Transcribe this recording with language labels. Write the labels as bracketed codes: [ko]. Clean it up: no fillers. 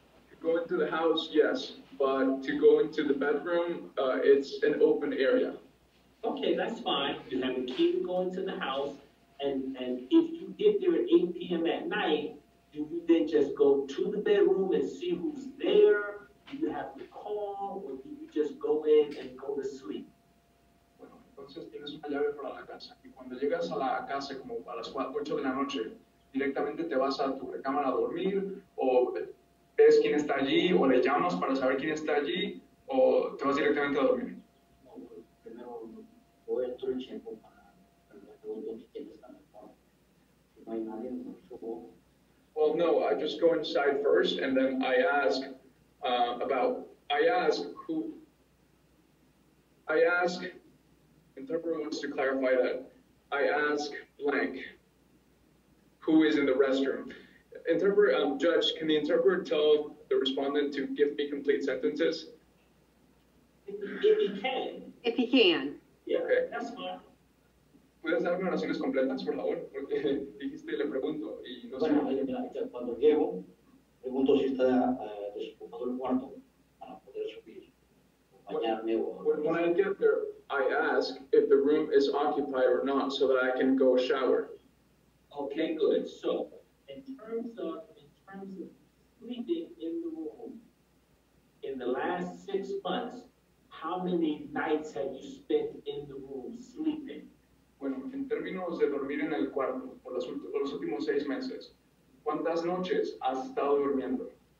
[en] To go into the house, yes, but to go into the bedroom, it's an open area. Okay, that's fine. You have a key to go into the house, and if you get there at 8 p.m. at night, do you then just go to the bedroom and see who's there? Do you have to call, or do you just go in and go to sleep? [es] Bueno, entonces tienes una llave para la casa, y cuando llegas a la casa como a las 8 de la noche, directamente te vas a tu recámara a dormir, o ves quién está allí, o le llamas para saber quién está allí, o te vas directamente a dormir. Primero, voy a entrar en tiempo para preguntar quién está en el cuarto. [en] Well, no, I just go inside first, and then I ask interpreter wants to clarify that, I ask blank. Who is in the restroom? Interpreter, judge, can the interpreter tell the respondent to give me complete sentences? If he can. Yeah, okay. That's fine. [es] ¿Puedes darme oraciones completas, por favor? Porque dijiste y le pregunto, y no sé. Bueno, cuando llego, pregunto si está desocupado el cuarto para poder subir, acompañarme o... [en] When I get there, I ask if the room is occupied or not so that I can go shower. Okay, good. So, in terms of sleeping in the room, in the last 6 months, how many nights have you spent in the room sleeping? [es] Bueno, en términos de dormir en el cuarto, por los últimos 6 meses, ¿cuántas noches has estado durmiendo?